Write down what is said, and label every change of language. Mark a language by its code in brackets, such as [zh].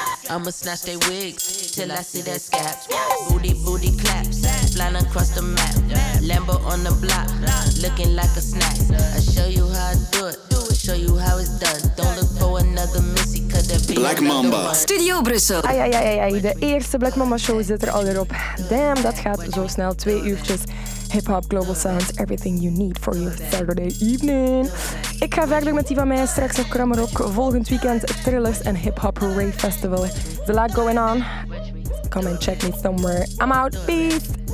[en] I'ma snatch they wigs till I see their scabs. Booty, booty claps, flying across the map. Lambo on the block, looking like a snack. I show you how I do it, show you how it's done. Don't look for another Missy, cause there be Black Mamba. [nl] Studio Brussel. Ai, ai, ai, ai, de eerste Black Mamba show zit er al weer op. Damn, dat gaat zo snel, 2 uurtjes. [en] hip-hop, global sounds, everything you need for your Saturday evening. [nl] Ik ga verder met die van mij, straks op Krammerok. Volgend weekend Thrillers en Hip-Hop Rave Festival. [en] There's a lot going on. Come and check me somewhere. I'm out. Peace.